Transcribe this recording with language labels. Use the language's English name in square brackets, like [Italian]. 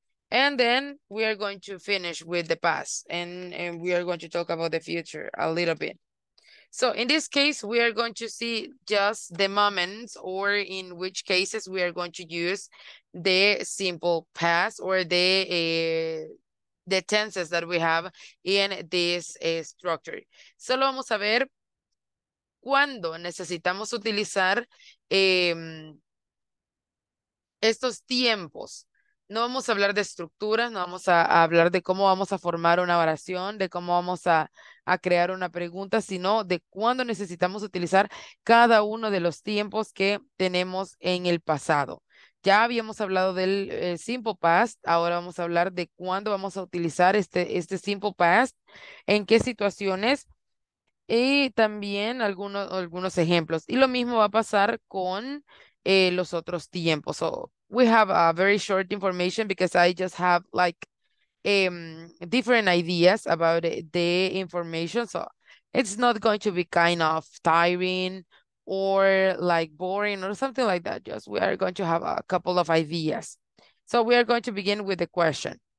[English] And then we are going to finish with the past, and we are going to talk about the future a little bit. So in this case, we are going to see just the moments or in which cases we are going to use the simple past or the tenses that we have in this structure. [Spanish] Solo vamos a ver cuándo necesitamos utilizar estos tiempos. No vamos a hablar de estructuras, no vamos a hablar de cómo vamos a formar una oración, de cómo vamos a crear una pregunta, sino de cuándo necesitamos utilizar cada uno de los tiempos que tenemos en el pasado. Ya habíamos hablado del simple past, ahora vamos a hablar de cuándo vamos a utilizar este simple past, en qué situaciones y también algunos ejemplos. Y lo mismo va a pasar con los otros tiempos. [English] So we have a very short information because I just have like different ideas about the information. So it's not going to be kind of tiring or like boring or something like that. Just we are going to have a couple of ideas. So we are going to begin with the question.